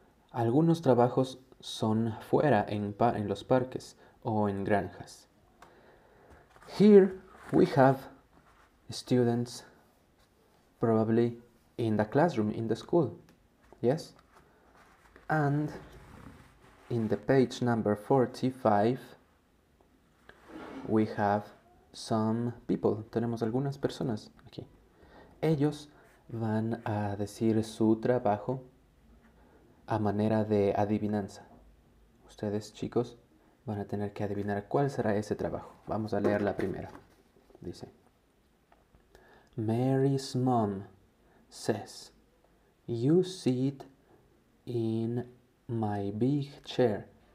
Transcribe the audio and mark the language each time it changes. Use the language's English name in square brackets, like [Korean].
[Spanish] Algunos trabajos son fuera, en los parques o en granjas. [English] Here we have students probably in the classroom, in the school. Yes? And in the page number 45, we have some people. [Spanish] Tenemos algunas personas aquí. Ellos van a decir su trabajo a manera de adivinanza. Ustedes, chicos, van a tener que adivinar cuál será ese trabajo. Vamos a leer la primera. Dice: [English] Mary's mom says, "You sit in my big chair.